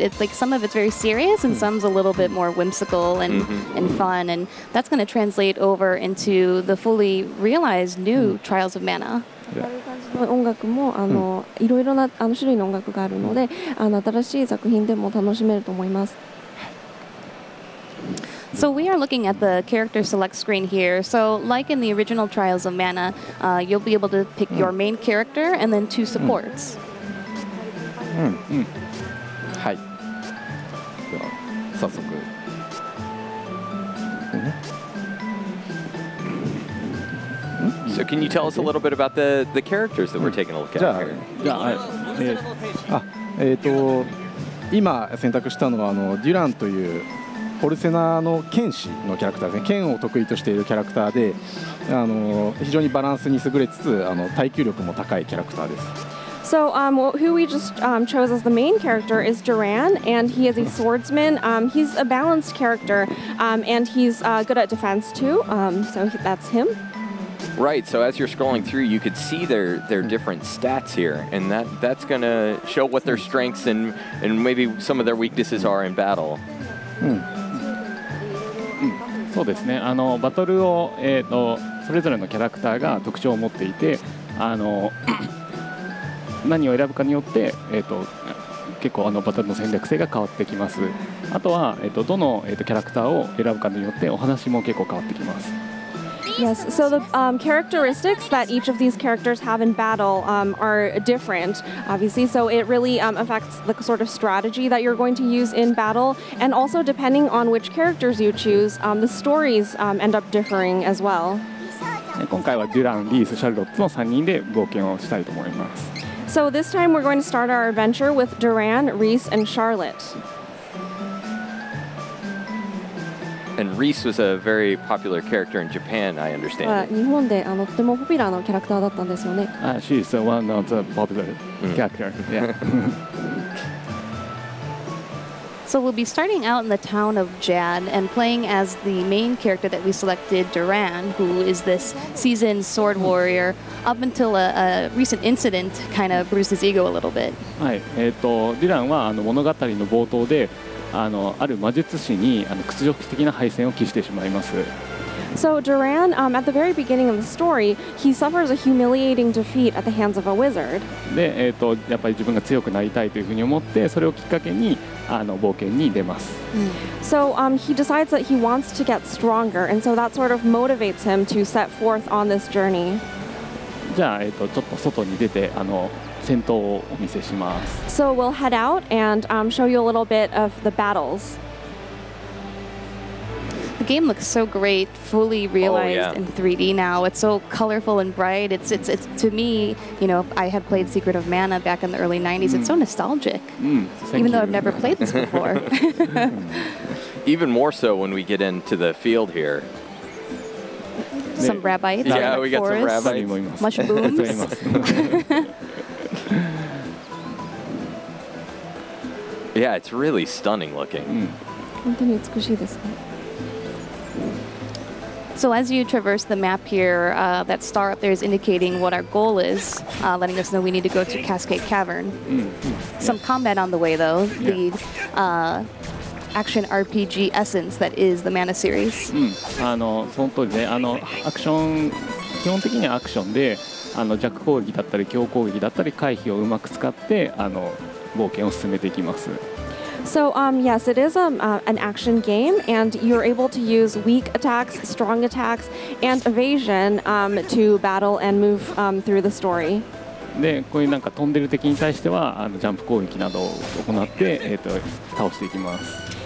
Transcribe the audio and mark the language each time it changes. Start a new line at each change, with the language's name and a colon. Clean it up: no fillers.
English: It's like some of it's very serious and some's a little bit more whimsical and, and fun. And that's going to translate over into the fully realized new Trials of Mana.
Japanese: この音楽もあの、いろいろなあの種類の音楽があるので、あの新しい作品でも楽しめると思います。
English: So we are looking at the character select screen here. So like in the original Trials of Mana, you'll be able to pick your main character and then two supports.
Japanese: はい。では、早速。
English: So can you tell us a little bit about the characters that we're taking a look at here? Yeah.
Japanese: 今選択したのはあのデュランというフォルセナの剣士のキャラクターですね。剣を得意としているキャラクターで、あの非常にバランスに優れつつ、あの耐久力も高いキャラクターです。
English: So, who we just chose as the main character is Duran, and he is a swordsman. He's a balanced character, and he's good at defense too. So that's him. Right, so as you're scrolling through, you could see their different stats here, and that's going to show what their strengths and maybe some of their weaknesses are in battle.
Japanese: そうですね、あのバトルを、それぞれのキャラクターが特徴を持っていて、あの何を選ぶかによって、結構あのバトルの戦略性が変わってきます。あとは、どの、キャラクターを選ぶかによってお話も結構変わってきます。
English: Yes, so the characteristics that each of these characters have in battle are different, obviously, so it really affects the sort of strategy that you're going to use in battle, and also depending on which characters you choose, the stories end up differing as well.
Japanese: 今回はデュラン、リース、シャルロットの3人で冒険をしたいと思います。
English: So this time we're going to start our adventure with Duran, Reese, and Charlotte. And Reese was a very popular character in Japan, I understand.
Japanese: 日本であのとてもポピュラーのキャラクターだったんですよね。
English: She's the one of the popular characters. Yeah. So we'll be starting out in the town of Jad and playing as the main character that we selected, Duran, who is this seasoned sword warrior. Up until a recent incident, kind of bruised his ego a little bit.
Japanese: はい、ディランはあの物語の冒頭で。あの、ある魔術師に、あの、屈辱的な敗戦を喫してしまいます。
English: So Duran, at the very beginning of the story, he suffers a humiliating defeat at the hands of a wizard.
Japanese: で、やっぱり自分が強くなりたいというふうに思って、それをきっかけに、あの、冒険に出ます。
English: So, he decides that he wants to get stronger, and so that sort of motivates him to set forth on this journey.
Japanese: じゃあ、ちょっと外に出て、あの、戦闘をお見せします。
English: So we'll head out and show you a little bit of the battles. The game looks so great, fully realized in 3D now. It's so colorful and bright. It's to me, you know, I had played Secret of Mana back in the early 90s. It's so nostalgic, even though I've never played this before. Even more so when we get into the field here. Some rabbits. Yeah, we got some rabbits. Mushrooms. Yeah, it's really stunning looking.
Japanese: 本当に美しいですね。
English: So as you traverse the map here, that star up there is indicating what our goal is, letting us know we need to go to Cascade Cavern. Some combat on the way though, the action RPG essence that is the Mana series.
Japanese: あの、その通りね、あの、アクション、基本的にはアクションで、あの、弱攻撃だったり強攻撃だったり回避をうまく使って、あの、冒険を進めていきます。
English: So, yes, it is an action game, and you're able to use weak attacks, strong attacks, and evasion to battle and move through the story.
Japanese: で、こういうなんか飛んでる敵に対しては、あの、ジャンプ攻撃などを行って、倒していきます。